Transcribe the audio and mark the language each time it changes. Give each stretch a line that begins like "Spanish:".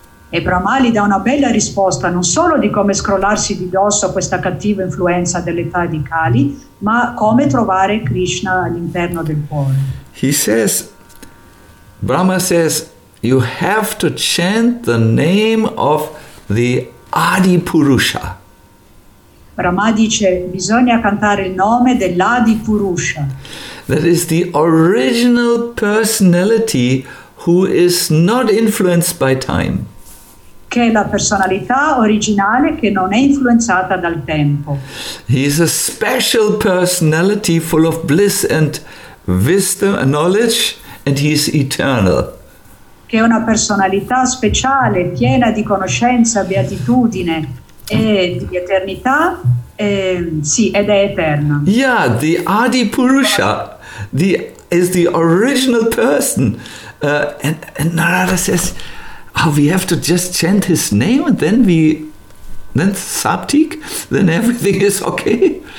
Italian: E Brahma gli dà una bella risposta non solo di come scrollarsi di dosso questa cattiva influenza dell'età di Kali, ma come trovare Krishna all'interno del cuore.
English: Brahma says, you have to chant the name of the Adi Purusha.
Italian: Brahma dice, bisogna cantare il nome dell'Adi Purusha.
English: That is the original personality who is not influenced by time.
Italian: Che è la personalità originale che non è influenzata dal tempo.
English: He is a special personality full of bliss and wisdom and knowledge, and he is eternal.
Italian: Che è una personalità speciale, piena di conoscenza, beatitudine e di eternità, sì, ed è eterna.
English: Yeah, the Adi Purusha is the original person. And Narada says, oh, we have to just chant his name, then Saptik, then everything is okay.